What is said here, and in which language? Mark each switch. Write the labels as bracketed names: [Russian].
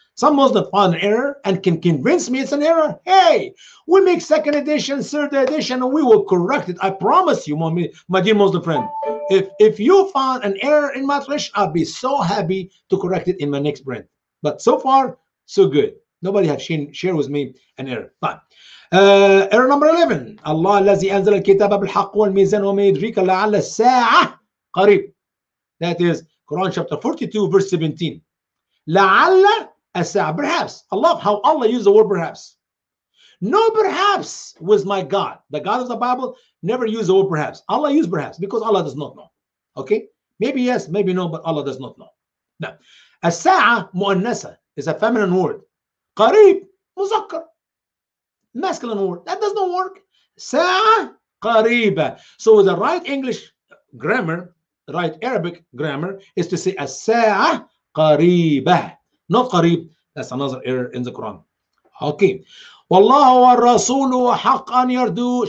[English] Some Muslims find an error and can convince me it's an error. Hey, we make second edition, third edition, and we will correct it. I promise you, my dear Muslim friend. If you found an error in my translation, I'll be so happy to correct it in my next print. But so far, so good. Nobody has shared with me an error. Fine. Error number 11. [Arabic] Allah الذي أنزل الكتاب بالحق والميزان وما يدريك لعل الساعة قريب. [English] That is Quran chapter 42, verse 17. [Arabic] لعل الساعة. [English] Perhaps. I love how Allah used the word perhaps. No perhaps with my God. The God of the Bible never used the word perhaps. Allah used perhaps because Allah does not know. Okay? Maybe yes, maybe no, but Allah does not know. Now, [Arabic] الساعة مؤنثة [English] is a feminine word. [Arabic] قريب مذكر. [English] Masculine word. That does not work. [Arabic] ساعة قريبة. [English] So the right English grammar, right Arabic grammar, is to say [Arabic] الساعة قريبة. [English] Not قريب. That's another error in the Quran. Okay. [Arabic] والله والرسول حق أن يردو.